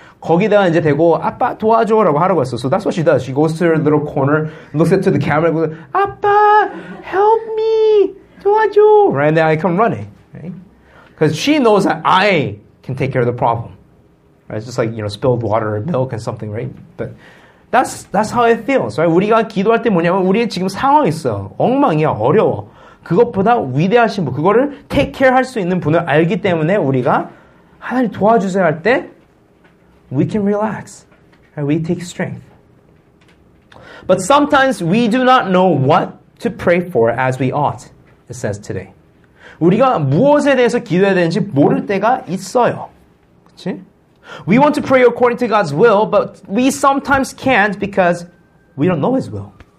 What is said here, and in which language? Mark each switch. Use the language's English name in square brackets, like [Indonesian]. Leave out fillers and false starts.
[Korean] 거기다 이제 대고 아빠 도와줘라고 하라고 했어. [English] So that's what she does. She goes to her little corner, looks at to the camera, goes, 아빠, help me. [Korean] 도와줘. [English] Right, and then I come running. Right? Because she knows that I can take care of the problem. Right? It's just like, you know, spilled water or milk and something, right? But that's how it feels, right? [Korean] 우리가 기도할 때 뭐냐면 우리의 지금 상황이 있어. 엉망이야, 어려워. 그것보다 위대하신 분, 그거를 take care 할 수 있는 분을 알기 때문에 우리가 하나님 도와주세요 할 때 [English] we can relax. And we take strength. But sometimes we do not know what to pray for as we ought, it says today. [Korean] 우리가 무엇에 대해서 기도해야 되는지 모를 때가 있어요. 그치? [English] We want to pray according to God's will, but we sometimes can't because we don't know His will.